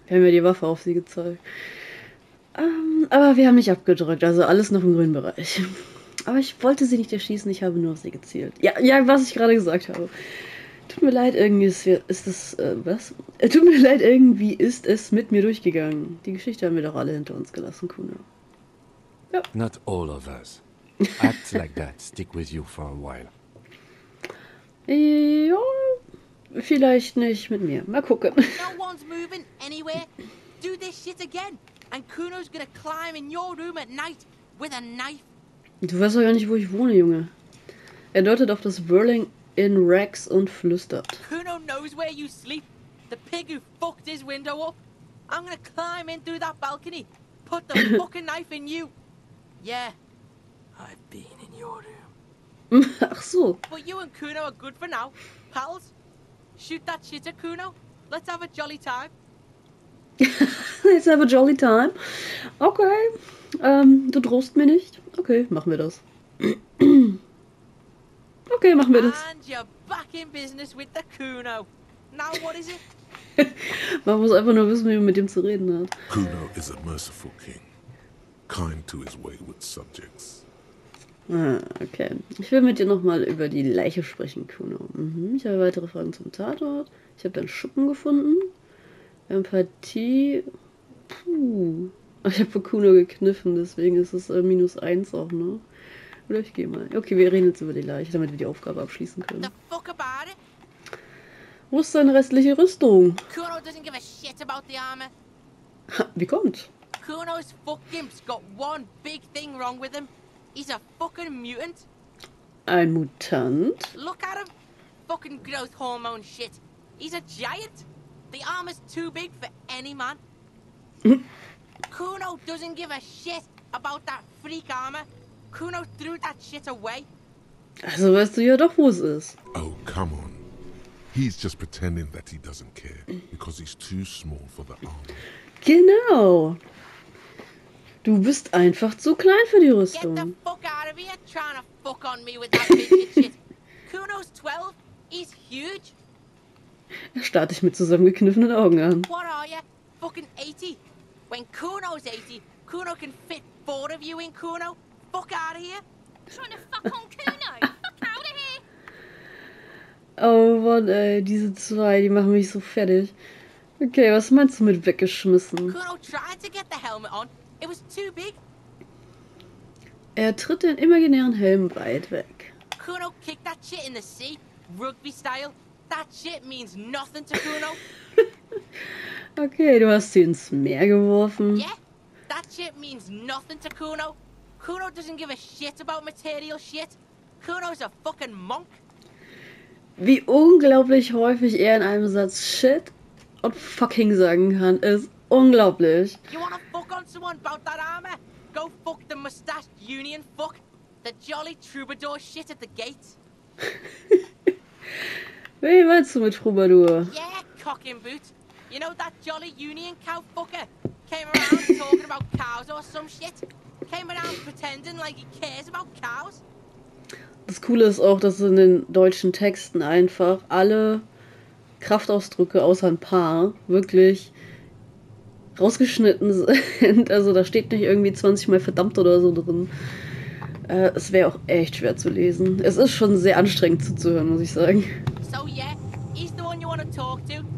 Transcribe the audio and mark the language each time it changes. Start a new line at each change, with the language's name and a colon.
German: Wir haben ja die Waffe auf sie gezeigt. Aber wir haben nicht abgedrückt, also alles noch im grünen Bereich. Aber ich wollte sie nicht erschießen, ich habe nur auf sie gezielt. Ja, was ich gerade gesagt habe. Tut mir leid, irgendwie ist es mit mir durchgegangen. Die Geschichte haben wir doch alle hinter uns gelassen, Kuno.
English: Ja. Not all of us. Act like that, stick with you for a while.
German: Ja, vielleicht nicht mit mir. Mal gucken.
English: No one's moving anywhere. Do this shit again. And Kuno's gonna climb in your room at night with a knife.
German: Du weißt doch gar nicht, wo ich wohne, Junge. Er deutet auf das Whirling in Rags und flüstert.
English: Kuno knows where you sleep. The pig who fucked his window up. I'm gonna climb in through that balcony. Put the fucking knife in you. Yeah. I've been in your room.
German: Ach so.
English: But you and Kuno are good for now. Pals, shoot that shit at Kuno. Let's have a jolly time. Let's have a jolly time.
German: Okay. Du drohst mir nicht. Okay, machen wir das. Okay, machen wir das.
English: And you're back in business with the Kuno. Now what is it?
German: Man muss einfach nur wissen, wie man mit ihm zu reden hat.
English: Kuno is a merciful king. Kind to his wayward subjects. Ah, okay.
German: Ich will mit dir nochmal über die Leiche sprechen, Kuno. Mhm. Ich habe weitere Fragen zum Tatort. Ich habe deinen Schuppen gefunden. Empathie. Puh. Ich habe für Kuno gekniffen, deswegen ist es minus 1 auch, ne? Oder ich gehe mal. Okay, wir reden jetzt über die Leiche, damit wir die Aufgabe abschließen können. Wo ist deine restliche Rüstung?
English: Kuno doesn't give a shit about the armor.
German: Ha, wie kommt?
English: Kuno's fuckgimp's got one big thing wrong with him. He's a fucking mutant.
German: Ein Mutant?
English: Look at him. Fucking growth hormone shit. He's a giant. The arm is too big for any man. Kuno doesn't give a shit about that freak armor. Kuno threw that shit away.
German: Also weißt du ja doch, wo es ist.
English: Oh, come on. He's just pretending that he doesn't care. Because he's too small for the arm.
German: Genau. Du bist einfach zu klein für die Rüstung.
English: Get the fuck out of here trying to fuck on me with that bitch shit. Kuno's 12. He's huge.
German: Da starte ich mit zusammengekniffenen Augen an.
English: What are you? Fucking 80. When Kuno's 80, Kuno can fit four of you in Kuno. Fuck out of here. Trying to fuck on Kuno. Fuck out of here.
German: Oh Mann, ey, diese zwei, die machen mich so fertig.
English: Okay,
German: was meinst du mit weggeschmissen?
English: Kuno tried to get the helmet on. It was too big.
German: Er tritt den imaginären Helm weit weg.
English: Kuno kicked that shit in the sea, rugby style. That shit means nothing to Kuno.
German: Okay, du hast sie ins Meer geworfen.
English: Yeah, that shit means nothing to Kuno. Kuno doesn't give a shit about material shit. Kuno's a fucking monk.
German: Wie unglaublich häufig er in einem Satz shit und fucking sagen kann, ist unglaublich.
English: You wanna fuck on someone about that armor? Go fuck the mustached union fuck. The jolly troubadour shit at the gate.
German: Wie meinst du mit Troubadour?
English: Yeah, cocking boot. You know that jolly union cow fucker? Came around talking about cows or some shit. Came around pretending like he cares about cows.
German: Das Coole ist auch, dass in den deutschen Texten einfach alle Kraftausdrücke außer ein paar wirklich rausgeschnitten sind. Also da steht nicht irgendwie 20 mal verdammt oder so drin. Es wäre auch echt schwer zu lesen. Es ist schon sehr anstrengend zuzuhören, muss ich sagen.
English: So yeah, he's the one you want to talk to.